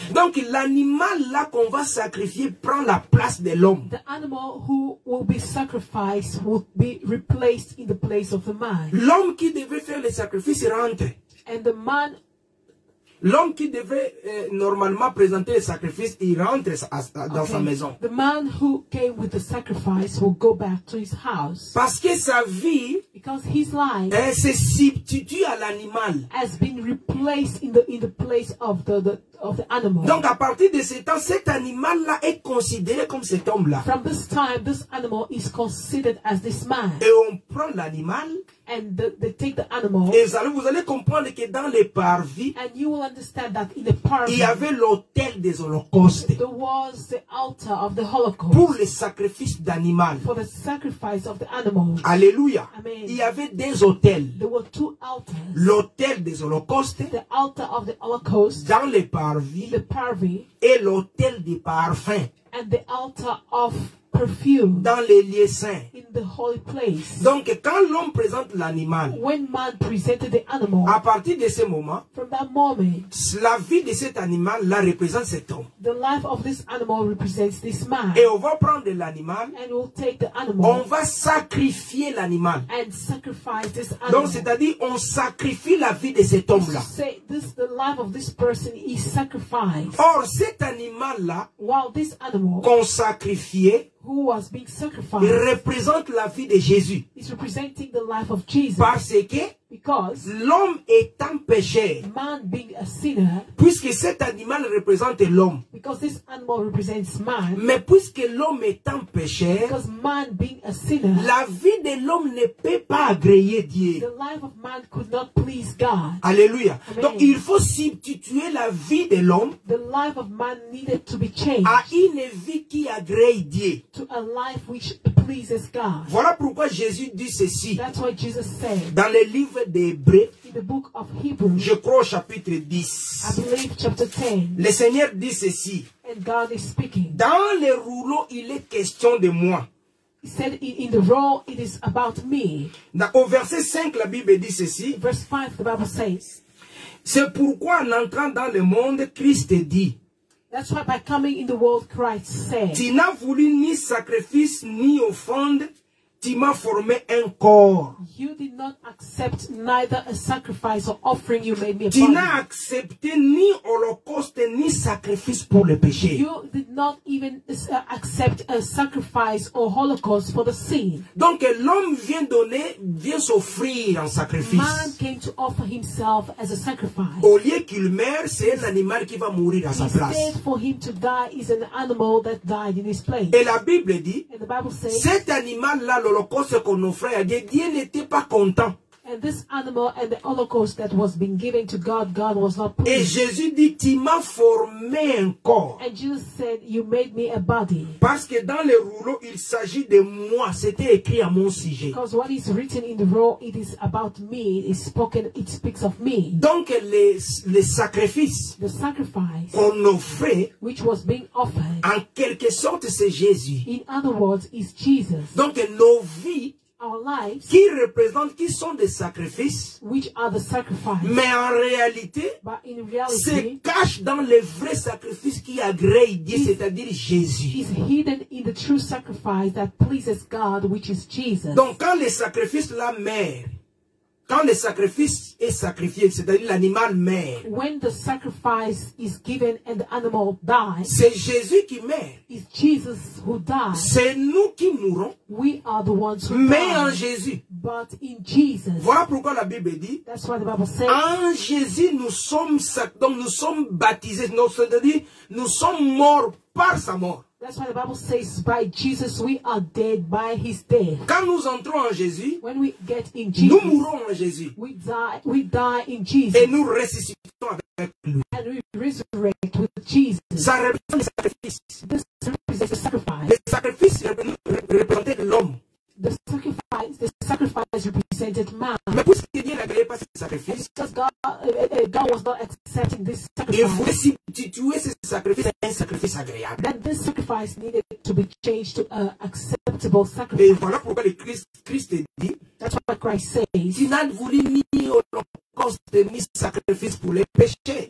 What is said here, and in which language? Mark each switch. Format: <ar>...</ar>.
<fr>Donc l'animal là qu'on va sacrifier prend la place de l'homme.</fr> <en>The animal who will be sacrificed will be replaced in the place of the man.</en> <fr>L'homme qui devait faire les sacrifices rentre.</fr> <en>And the man,</en> <fr>l'homme qui devait normalement présenter le sacrifice, il rentre dans sa maison.</fr> <en>The man who came with the sacrifice will go back to his house.</en> <fr>Parce que sa vie,</fr> <en>because his life,</en> <fr>se substitue à l'animal.</fr> <en>Has been replaced in the place of the animal.</en> <fr>Donc à partir de ce temps, cet animal là est considéré comme cet homme là.</fr> <en>From this time, this animal is considered as this man.</en> <fr>Et on prend l'animal.</fr> <en>And they take the animal.</en> <fr>Et vous allez comprendre que dans les parvis,</fr> <en>and you will understand that in the parvis,</en> <fr>il y avait l'autel des holocaustes.</fr> <en>There was the altar of the holocaust.</en> <fr>Pour les sacrifices d'animal.</fr> <en>For the sacrifice of the animals.</en> <fr>Alléluia.</fr> <en>Amen.</en> <fr>Il y avait deux autels.</fr> <en>There were two altars.</en> <fr>L'autel des holocaustes.</fr> <en>The altar of the holocaust.</en> <fr>Dans les parvis.</fr> <en>In the parvis.</en> <fr>Et l'autel des parfums.</fr> <en>And the altar of perfume,</en> <fr>dans les lieux saints.</fr> <en>In the holy place.</en> <fr>Donc quand l'homme présente l'animal,</fr> <en>when man presented the animal,</en> <fr>à partir de ce moment,</fr> <en>from that moment,</en> <fr>la vie de cet animal là représente cet homme.</fr> <en>The life of this animal represents this man.</en> <fr>Et on va prendre l'animal,</fr> <en>and we'll take the animal,</en> <fr>on va sacrifier l'animal,</fr> <en>and sacrifice this animal.</en> <fr>Donc c'est-à-dire on sacrifie la vie de cet homme là.</fr> <en>Say this, the life of this person is sacrificed.</en> <fr>Or cet animal là,</fr> <en>while this animal,</en> <fr>qu'on sacrifiait,</fr> <en>who was being sacrificed,</en> <fr>il représente la vie de Jésus.</fr> <en>He's representing the life of Jesus.</en> <fr>Parce que</fr> <en>because</en> <fr>l'homme étant pécheur,</fr> <en>man being a sinner,</en> <fr>puisque cet animal représente l'homme,</fr> <en>because this animal represents man,</en> <fr>mais puisque l'homme étant pécheur,</fr> <en>because man being a sinner,</en> <fr>la vie de l'homme ne peut pas agréer Dieu.</fr> <en>The life of man could not please God.</en> <fr>Alléluia.</fr> <en>Amen.</en> <fr>Donc il faut substituer la vie de l'homme,</fr> <en>the life of man needed to be changed,</en> <fr>à une vie qui agrée Dieu,</fr> <en>to a life which pleases God.</en> <fr>Voilà pourquoi Jésus dit ceci.</fr> <en>That's what Jesus said.</en> <fr>Dans le livre d'Hébreux,</fr> <en>in the book of Hebrews,</en> <fr>je crois chapitre 10.</fr> <en>I believe chapter 10.</en> <fr>Le Seigneur dit ceci.</fr> <en>And God is speaking.</en> <fr>Dans les rouleaux, il est question de moi.</fr> <en>He said in the roll, it is about me.</en> <fr>Dans, au verset 5, la Bible dit ceci.</fr> <en>Verse 5, the Bible says.</en> <fr>C'est pourquoi en entrant dans le monde, Christ dit.</fr> <en>That's why by coming in the world, Christ said.</en> <fr>Tu n'as voulu ni sacrifice ni offrande. Tu m'as formé un corps.</fr> <en>You did not accept neither a sacrifice or offering. You made me a body.</en> <fr>Tu n'as accepté ni holocauste ni sacrifice pour le péché.</fr> <en>You did not even accept a sacrifice or holocaust for the sin.</en> <fr>Donc l'homme vient donner, vient s'offrir en sacrifice.</fr> <en>Man came to offer himself as a sacrifice.</en> <fr>Au lieu qu'il meure, c'est un animal qui va mourir à sa place.</fr> <en>Instead for him to die is an animal that died in his place.</en> <fr>Et la Bible dit,</fr> <en>and the Bible says,</en> <fr>cet animal-là, l'holocauste qu'on offrait à Dieu, Dieu n'était pas content.</fr> <en>And this animal and the holocaust that was being given to God, God was not pleased.</en> <fr>Et Jésus dit, tu m'as formé un corps.</fr> <en>And Jesus said, you made me a body.</en> <fr>Parce que dans le rouleau, il s'agit de moi. C'était écrit à mon sujet.</fr> <en>Because what is written in the roll, it is about me. It's spoken, it speaks of me.</en> <fr>Donc les sacrifices,</fr> <en>the sacrifice</en> <fr>qu'on offrait,</fr> <en>which was being offered,</en> <fr>en quelque sorte, c'est Jésus.</fr> <en>In other words, it's Jesus.</en> <fr>Donc nos vies,</fr> <en>our lives,</en> <fr>qui représentent, qui sont des sacrifices,</fr> <en>which are the sacrifice,</en> <fr>mais en réalité,</fr> <en>but in reality,</en> <fr>se cache dans les vrais sacrifices qui agréent Dieu, c'est-à-dire Jésus.</fr> <en>Is hidden in the true sacrifice that pleases God, which is Jesus.</en> <fr>Donc quand les sacrifices là meurent, quand le sacrifice est sacrifié, c'est-à-dire l'animal meurt,</fr> <en>when the sacrifice is given and the animal dies,</en> <fr>c'est Jésus qui meurt.</fr> <en>It's Jesus who dies.</en> <fr>C'est nous qui mourons.</fr> <en>We are the ones who</en> <fr>mais</fr> <en>die,</en> <fr>en Jésus.</fr> <en>But in Jesus.</en> <fr>Voilà pourquoi la Bible dit.</fr> <en>That's what the Bible says.</en> <fr>En Jésus, nous sommes, donc nous sommes baptisés, donc, c'est-à-dire nous sommes morts par sa mort.</fr> <en>That's why the Bible says, by Jesus we are dead by his death.</en> <fr>Quand nous entrons en Jésus,</fr> <en>when we get in Jesus,</en> <fr>nous mourons en Jésus.</fr> <en>We die in Jesus.</en> <fr>Et nous ressuscitons avec lui.</fr> <en>And we resurrect with Jesus.</en> <fr>Ça représente le sacrifice.</fr> <en>This represents the sacrifice.</en> <fr>Le sacrifice représente l'homme.</fr> <en>The sacrifice represented man.</en> <fr>Mais puisque Dieu n'agréait pas ce sacrifice,</fr> <en>God was not accepting this sacrifice.</en> <fr>Et vous restituez ce sacrifice à un sacrifice agréable.</fr> <en>That this sacrifice needed to be changed to an acceptable sacrifice.</en> <fr>Et voilà pourquoi le Christ dit.</fr> <en>That's what Christ says.</en> <fr>Tu n'as voulu ni holocauste ni sacrifice pour les péchés.</fr>